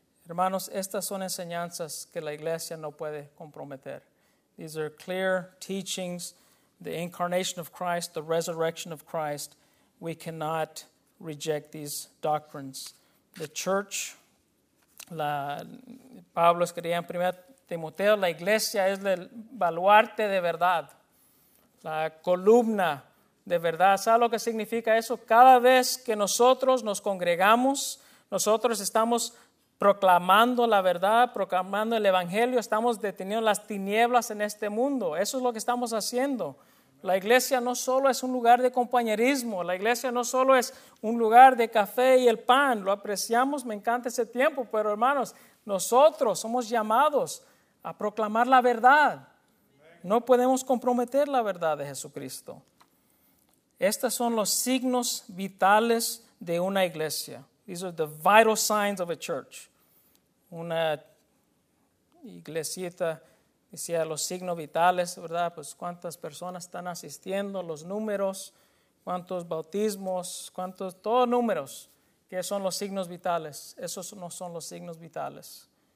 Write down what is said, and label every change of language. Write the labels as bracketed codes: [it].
[es] Hermanos, estas son enseñanzas que la iglesia no puede comprometer. [en] These are clear teachings, the incarnation of Christ, the resurrection of Christ. We cannot reject these doctrines. The church, [es] Pablo escribía en 1 Timoteo, la iglesia es el baluarte de verdad. La columna de verdad. ¿Sabe lo que significa eso? Cada vez que nosotros nos congregamos, nosotros estamos proclamando la verdad, proclamando el evangelio, estamos deteniendo las tinieblas en este mundo. Eso es lo que estamos haciendo. La iglesia no solo es un lugar de compañerismo. La iglesia no solo es un lugar de café y el pan. Lo apreciamos, me encanta ese tiempo. Pero hermanos, nosotros somos llamados a proclamar la verdad. No podemos comprometer la verdad de Jesucristo. Estos son los signos vitales de una iglesia. [en] These are the vital signs of a church. [es] Una iglesita decía los signos vitales, ¿verdad? Pues cuántas personas están asistiendo, los números, cuántos bautismos, cuántos, todos números. ¿Qué son los signos vitales? Esos no son los signos vitales.